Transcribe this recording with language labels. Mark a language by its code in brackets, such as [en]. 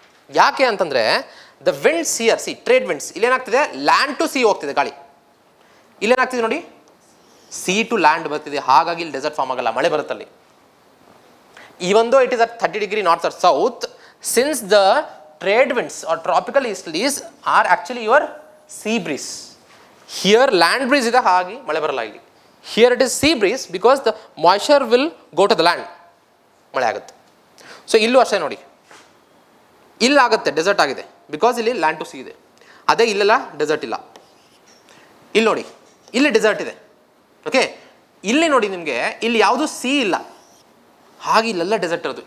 [kn] ಯಾಕೆ ಅಂತಂದರೆ [en] the winds here, [kn] C trade winds, ಇಲ್ಲೇನಾಗ್ತಿದೆ land to C ಹೋಗ್ತಿದೆ ಗಾಳಿ, ಇಲ್ಲೇನಾಗ್ತಿದೆ ನೋಡಿ ಸಿ ಟು ಲ್ಯಾಂಡ್ ಬರ್ತಿದೆ. ಹಾಗಾಗಿ ಇಲ್ಲಿ ಡೆಸರ್ಟ್ ಫಾರ್ಮ್ ಆಗಲ್ಲ, ಮಳೆ ಬರುತ್ತಲ್ಲಿ. [en] even though it is at 30 degree north or south, since the trade winds are tropical easterlies or actually your sea breeze, here land breeze ಇದೆ, [kn] ಹಾಗಾಗಿ ಮಳೆ ಬರಲ್ಲ ಇಲ್ಲಿ. [en] Here it is sea breeze because the moisture will go to the land. [kn] ಮಳೆ ಆಗುತ್ತೆ. So ಇಲ್ಲೂ ಅಷ್ಟೇ ನೋಡಿ, ಇಲ್ಲಾಗುತ್ತೆ ಡೆಸರ್ಟ್ ಆಗಿದೆ ಬಿಕಾಸ್ ಇಲ್ಲಿ ಲ್ಯಾಂಡ್ ಟು ಸೀ ಇದೆ. ಅದೇ ಇಲ್ಲೆಲ್ಲ ಡೆಸರ್ಟ್ ಇಲ್ಲ. ಇಲ್ಲಿ ನೋಡಿ, ಇಲ್ಲಿ ಡೆಸರ್ಟ್ ಇದೆ. ಓಕೆ, ಇಲ್ಲಿ ನೋಡಿ ನಿಮಗೆ ಇಲ್ಲಿ ಯಾವುದು ಸೀ ಇಲ್ಲ, ಹಾಗೆ ಇಲ್ಲೆಲ್ಲ ಡೆಸರ್ಟ್ ಇರೋದು.